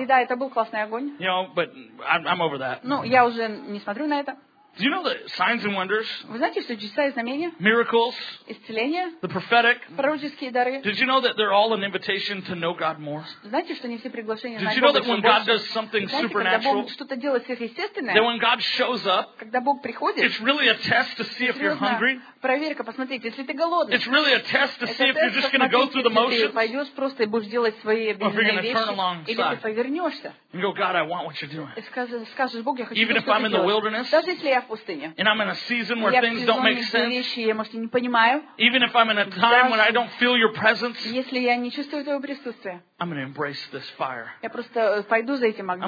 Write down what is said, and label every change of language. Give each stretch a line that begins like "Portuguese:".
Russian: И да, это был классный огонь.
English: You know, but I'm over that.
Russian: Ну, я уже не смотрю на это.
English: Do you know the signs and wonders?
Russian: Вы знаете, что чудеса и знамения?
English: Miracles.
Russian: Исцеления.
English: The prophetic.
Russian: Пророческие дары.
English: Did you know that they're all an invitation to know God more?
Russian: Знаете, что они все приглашения на Бога?
English: Did you know that when God does something supernatural?
Russian: Знаете, когда Бог что-то делает сверхъестественное?
English: That when God shows up?
Russian: Когда Бог приходит?
English: It's really a test to see if you're hungry.
Russian: Проверка, посмотрите, если ты голодный.
English: It's really a test to see if you're just going to go through the motions.
Russian: Пойдешь просто и будешь делать свои обязательные вещи.
English: Or if you're going to turn alongside.
Russian: Или ты повернешься.
English: And go, God, I want what you're doing.
Russian: И скажешь, Бог, я хочу.
English: Even if I'm in the wilderness. And I'm in a season where things don't make sense. Even if I'm in a time when I don't feel your presence,
Russian: если я не чувствую твоего присутствия,
English: I'm going to embrace this fire.
Russian: Я просто пойду за этим огнем.